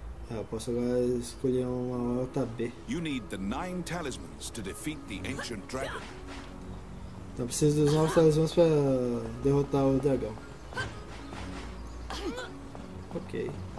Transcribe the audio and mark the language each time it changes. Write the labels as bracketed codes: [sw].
[pt] Eu posso agora escolher uma nota B. [en] You need the 9 talismans to defeat the ancient dragon. [pt] Então preciso dos 9 talismãs para derrotar o dragão. Ok.